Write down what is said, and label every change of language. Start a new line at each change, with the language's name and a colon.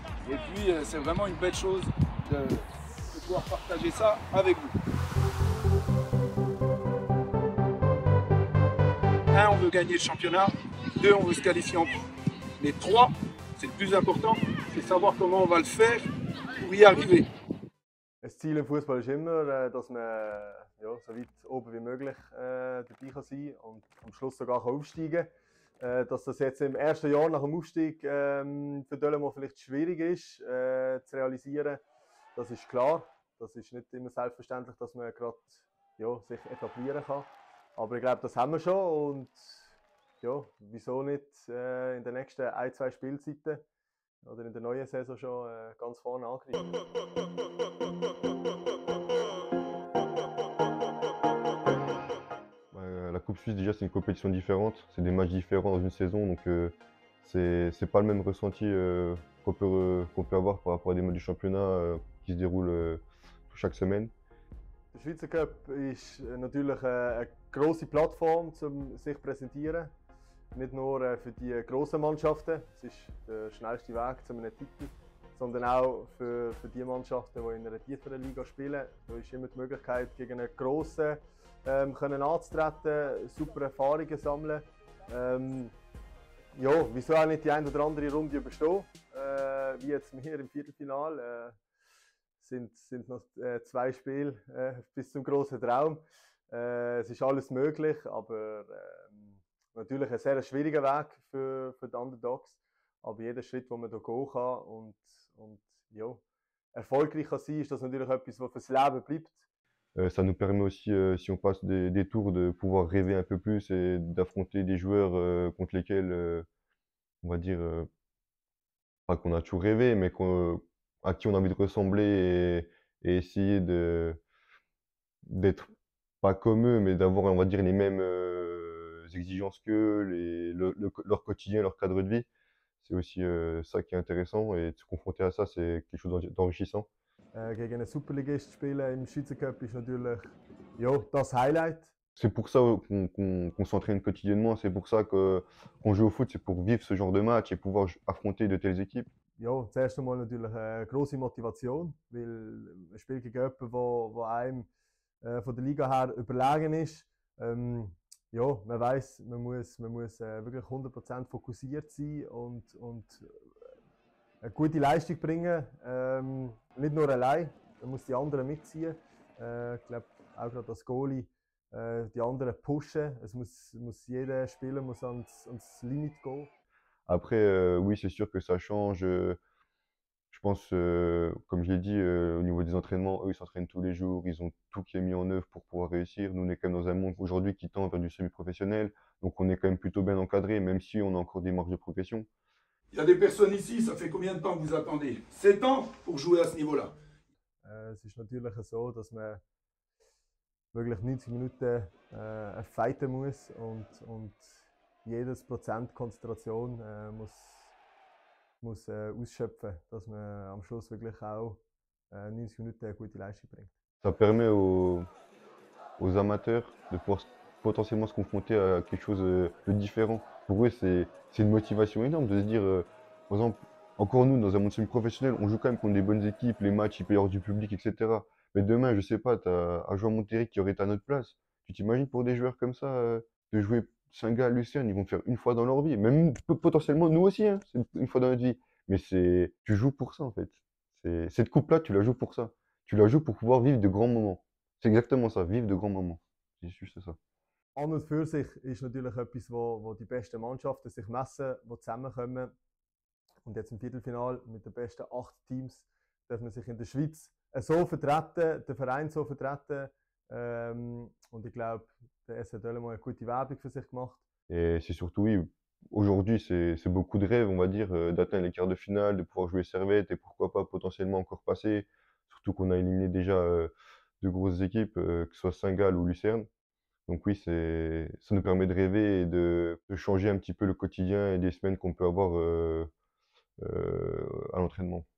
French: Et puis, c'est vraiment une belle chose de pouvoir partager ça avec vous. Un, on veut gagner le championnat. Deux, on veut se qualifier en plus. Mais trois, c'est le plus important, c'est savoir comment on va le faire pour y arriver.
German: Le Ziel im Fußball ist immer, dass man ja, so weit oben wie möglich dabei kann sein und am Schluss sogar aufsteigen kann. dass das jetzt im ersten Jahr nach dem Aufstieg für Delémont vielleicht schwierig ist zu realisieren, das ist klar. Das ist nicht immer selbstverständlich, dass man gerade ja, sich etablieren kann. Aber ich glaube, das haben wir schon. Und ja, wieso nicht in den nächsten ein, zwei Spielzeiten oder in der neuen Saison schon ganz vorne angreifen?
French: La Coupe Suisse, déjà, c'est une compétition différente, c'est des matchs différents dans une saison, donc c'est pas le même ressenti qu'on peut avoir par rapport à des matchs du championnat qui se déroulent chaque semaine.
German: La Schweizer Cup est natürlich
French: une grosse plateforme pour se présenter,
German: nicht nur für die grossen Mannschaften, es ist der schnellste Weg zu einem Titel, sondern auch für die Mannschaften, die in einer tieferen Liga spielen. Da ist immer die Möglichkeit, gegen einen grossen können anzutreten, super Erfahrungen sammeln. Ja, wieso auch nicht die ein oder andere Runde überstehen? Wie jetzt wir im Viertelfinale. Sind noch zwei Spiele bis zum grossen Traum. Es ist alles möglich, aber natürlich ein sehr schwieriger Weg für die Underdogs. Aber jeder Schritt, den man hier gehen kann und ja, erfolgreich kann sein, ist das natürlich etwas, was fürs Leben bleibt.
French: Ça nous permet aussi, si on passe des tours, de pouvoir rêver un peu plus et d'affronter des joueurs contre lesquels, on va dire, pas qu'on a toujours rêvé, mais à qui on a envie de ressembler et essayer d'être pas comme eux, mais d'avoir, on va dire, les mêmes exigences qu'eux, leur quotidien, leur cadre de vie. C'est aussi ça qui est intéressant et de se confronter à ça, c'est quelque chose d'enrichissant.
German: Gegen einen Superligist spielen im Schweizer Cup ist natürlich ja, das Highlight.
French: C'est pour ça qu'on s'entraîne quotidiennement, c'est pour ça qu'on joue au foot, c'est pour vivre ce genre de match et pouvoir affronter de telles équipes.
German: Ja, zuerst einmal natürlich eine grosse Motivation, weil ein Spiel gegen jemanden, der einem von der Liga her überlegen ist. Ja, man weiss, man muss wirklich 100% fokussiert sein und eine gute Leistung bringen, nicht nur allein, man muss die anderen mitziehen. Ich glaube, auch gerade als Goalie die anderen pushen. Es muss jeder Spieler muss ans Limit gehen.
French: Après, oui, c'est sûr que ça change. Je pense, comme je l'ai dit, au niveau des entraînements, eux, ils s'entraînent tous les jours, ils ont tout qui est mis en œuvre pour pouvoir réussir. Nous, on est quand même dans un monde aujourd'hui qui tend vers du semi-professionnel, donc on est quand même plutôt bien encadré, même si on a encore des marges de progression. Il y a des personnes ici, ça fait combien de temps que vous attendez? 7 ans pour jouer à ce niveau-là.
German: C'est natürlich so, dass man wirklich 90 Minuten fighten muss und jedes Prozent Konzentration muss ausschöpfen, dass man am Schluss wirklich auch 90 Minuten gute Leistung bringt.
French: Ça permet aux amateurs de pouvoir potentiellement se confronter à quelque chose de différent. Pour eux, c'est une motivation énorme de se dire, par exemple, encore nous, dans un monde semi-professionnel, on joue quand même contre des bonnes équipes, les matchs, il peut y avoir du public, etc. Mais demain, je sais pas, tu as un joueur Monterrey qui aurait été à notre place. Tu t'imagines pour des joueurs comme ça, de jouer Singa, Lucien, ils vont faire une fois dans leur vie. Même potentiellement, nous aussi, hein, c'est une fois dans notre vie. Mais tu joues pour ça, en fait. Cette coupe-là, tu la joues pour ça. Tu la joues pour pouvoir vivre de grands moments. C'est exactement ça, vivre de grands moments. C'est juste ça.
German: An und für sich ist natürlich etwas, wo die besten Mannschaften sich messen, wo zusammenkommen. Und jetzt im Viertelfinale mit den besten 8 Teams darf man sich in der Schweiz so vertreten, den Verein so vertreten. Und ich glaube, der SC Delémont hat eine gute Werbung für sich gemacht.
French: Et c'est surtout oui, aujourd'hui c'est beaucoup de rêves, on va dire, d'atteindre les quarts de finale, de pouvoir jouer Servette et pourquoi pas potentiellement encore passer. Surtout qu'on a éliminé déjà de grosses équipes, que ce soit Saint-Gall ou Lucerne. Donc oui, ça nous permet de rêver et de changer un petit peu le quotidien et des semaines qu'on peut avoir à l'entraînement.